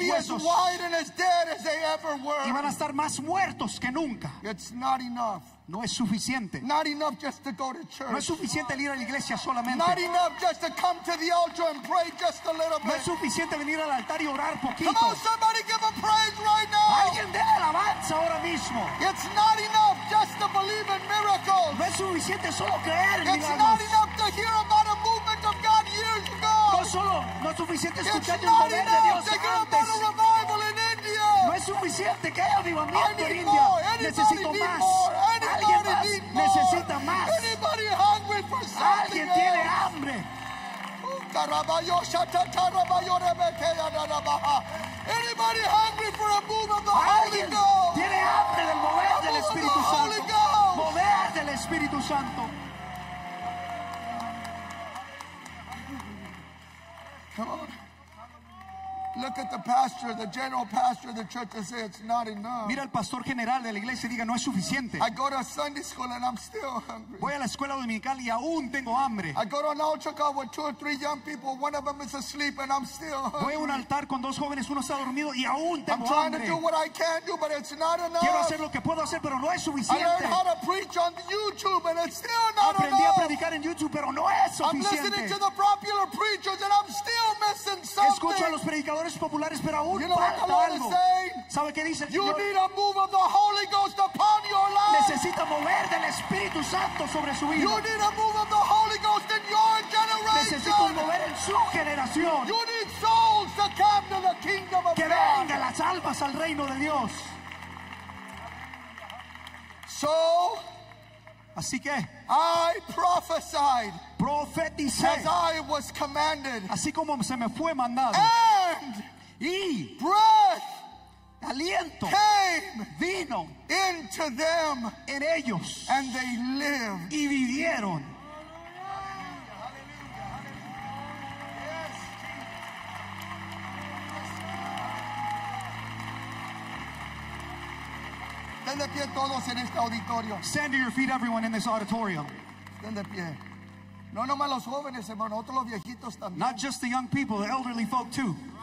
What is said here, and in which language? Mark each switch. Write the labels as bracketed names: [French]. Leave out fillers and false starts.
[English] And they'll be as white and as dead as they ever were. [Spanish] Y van a estar más muertos que nunca. [English] It's not enough. [Spanish] No es suficiente. [English] Not enough just to go to church. [Spanish] No es suficiente ir a la iglesia solamente. [English] Not enough just to come to the altar and pray just a little bit. [Spanish] No es suficiente venir al altar y orar poquito. [English] Come on, somebody give a praise right now. [Spanish] Alguien dé alabanza ahora mismo. [English] It's not enough just to believe in miracles. [Spanish] No es suficiente solo creer en [English] it's [Spanish] milagros. [English] Not enough to hear about a movement of God years ago. [Spanish] No solo, no es suficiente escuchar [English] it's not enough to hear about a revival in India. [Spanish] No es suficiente que haya avivamiento en India. Necesito [English] need [Spanish] más. [English] More. [Spanish] Necesita más. [English] Anybody hungry for something? [Spanish] Alguien tiene hambre. Carabayo, chata, carabayo, rebeke, yadarabaha. [English] Anybody hungry for a move of the Holy Ghost? [Spanish] Tiene hambre del mover del Espíritu Santo. Mover del Espíritu Santo. [English] Look at the pastor, the general pastor of the church, and say it's not enough. [Spanish] Mira al pastor general de la iglesia y diga no es suficiente. [English] I go to Sunday school and I'm still hungry. [Spanish] Voy a la escuela dominical y aún tengo hambre. [English] I go to an altar call with two or three young people. One of them is asleep and I'm still hungry. [Spanish] Voy a un altar con dos jóvenes, uno está dormido y aún tengo [English] I'm trying to do what I can do, but it's not enough. [Spanish] Quiero hacer lo que puedo hacer, pero no es suficiente. [English] I learned how to preach on YouTube and it's still not enough. [Spanish] Aprendí a predicar en YouTube, pero no es suficiente. [English] I'm listening to the popular preachers and I'm still missing something. [Spanish] Escucho a los predicadores populares pero aún falta algo. ¿Sabe qué dice? [English] You need a move of the Holy Ghost upon your life. [Spanish] Necesita mover del Espíritu Santo sobre su vida. [English] You need a move of the Holy Ghost in your generation. [Spanish] Necesita mover en su generación. [English] You need souls to come to the kingdom of [Spanish] que [English] God. [Spanish] Que vengan las almas al reino de Dios. [English] So, [Spanish] así que [English] I prophesied. [Spanish] Profeticé. [English] As I was commanded. [Spanish] Así como se me fue mandado. Y [English] breath, [Spanish] aliento, [English] came [Spanish] vino [English] into them, [Spanish] en ellos, [English] and they lived, [Spanish] y vivieron. [English] Hallelujah, hallelujah, hallelujah. Yeah. [Spanish] Estén de pie todos en este auditorio. [English] Stand to your feet, everyone in this auditorium. [Spanish] Estén de pie. No nomás los jóvenes, hermano, otros los viejitos también. [English] Not just the young people, the elderly folk too.